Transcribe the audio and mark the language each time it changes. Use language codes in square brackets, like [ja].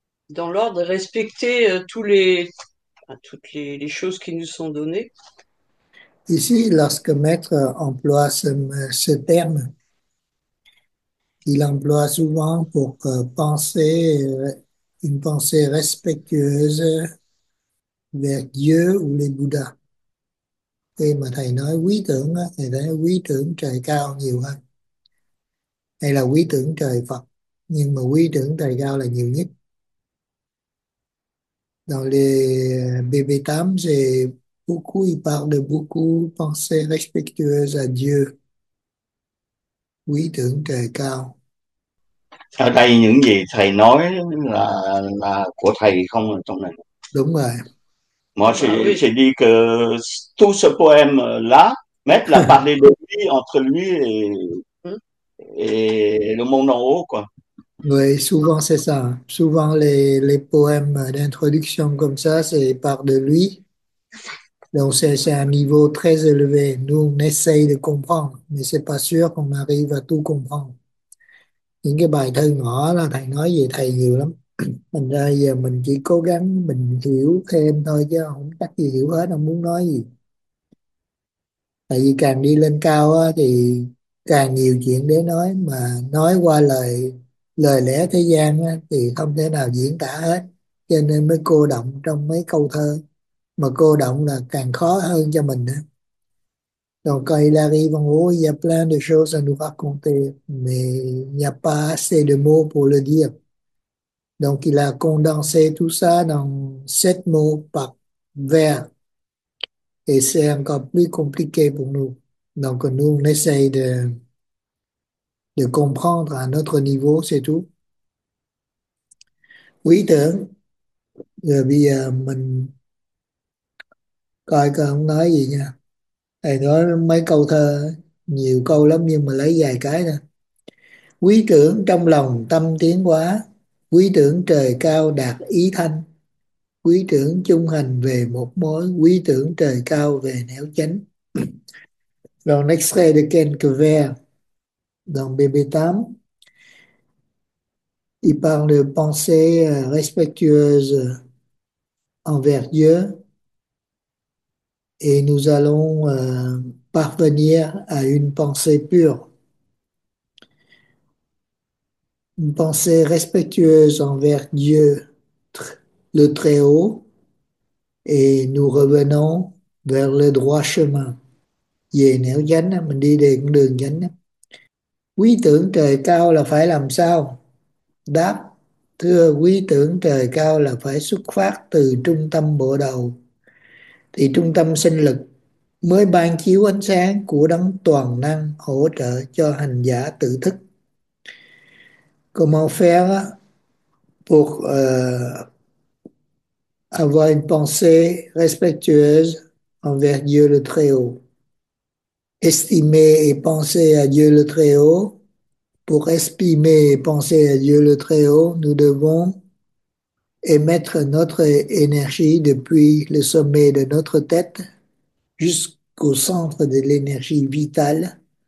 [fr] Dans l'ordre, respecter toutes les choses qui nous sont données. Ici, lorsque Maître emploie ce terme, il emploie souvent pour penser une pensée respectueuse vers Dieu ou les Bouddhas. [vi] Khi mà thầy nói quý tưởng, thầy nói quý tưởng trời cao nhiều hơn. Hay là quý tưởng trời Phật, nhưng mà quý tưởng trời cao là nhiều nhất. [fr] Dans les BB8, c'est beaucoup, il parle de beaucoup pensées respectueuses à Dieu. Quý tưởng trời cao. [vi] Ở đây những gì thầy nói là của thầy không ở trong này. Đúng rồi. [fr] Moi, Bah j'ai dit que tout ce poème-là, Maître l'a oui. parlé de lui, entre lui et le monde en haut, quoi. Oui, souvent c'est ça. Souvent les poèmes d'introduction comme ça, c'est par de lui. Donc c'est un niveau très élevé. Nous, on essaye de comprendre, mais c'est pas sûr qu'on arrive à tout comprendre. [vi] Những cái bài thơ ngõ là thầy nói về thầy nhiều lắm. Thành ra giờ mình chỉ cố gắng mình hiểu thêm thôi chứ không chắc gì hiểu hết ông muốn nói gì. Tại vì càng đi lên cao á, thì càng nhiều chuyện để nói, mà nói qua lời lời lẽ thế gian á, thì không thể nào diễn tả hết, cho nên mới cô đọng trong mấy câu thơ. Mà cô đọng là càng khó hơn cho mình nữa. [fr] Donc quand il arrive en haut, il y a plein de choses à nous raconter, mais il n'y a pas assez de mots pour le dire. Donc, il a condensé tout ça dans sept mots par vers. Et c'est encore plus compliqué pour nous. Donc, nous, on essaye de comprendre à notre niveau, c'est tout. [vi] Oui, tưởng. Giờ bây giờ mình coi coi ông nói gì nha. Thầy nói mấy câu thơ, nhiều câu lắm nhưng mà lấy vài cái thôi. Quý tưởng trong lòng tâm tiến hóa, quý tưởng trời cao đạt ý thanh, quý tưởng chung hành về một mối, quý tưởng trời cao về nẻo chánh. [fr] Rồi [en] next day the can cover [fr] dans BB8, il parle de pensée respectueuse envers Dieu, et nous allons parvenir à une pensée pure, une pensée respectueuse envers Dieu, le Très-Haut, et nous revenons vers le droit chemin. [vi] Yên đi đến đường chánh. Quý tưởng trời cao là phải làm sao? Đáp: Thưa, quý tưởng trời cao là phải xuất phát từ trung tâm bộ đầu, thì trung tâm sinh lực mới ban chiếu ánh sáng của đấng toàn năng hỗ trợ cho hành giả tự thức. [fr] Comment faire pour avoir une pensée respectueuse envers Dieu le Très-Haut? Estimer et penser à Dieu le Très-Haut. Pour estimer et penser à Dieu le Très-Haut, nous devons émettre notre énergie depuis le sommet de notre tête jusqu'au centre de l'énergie vitale.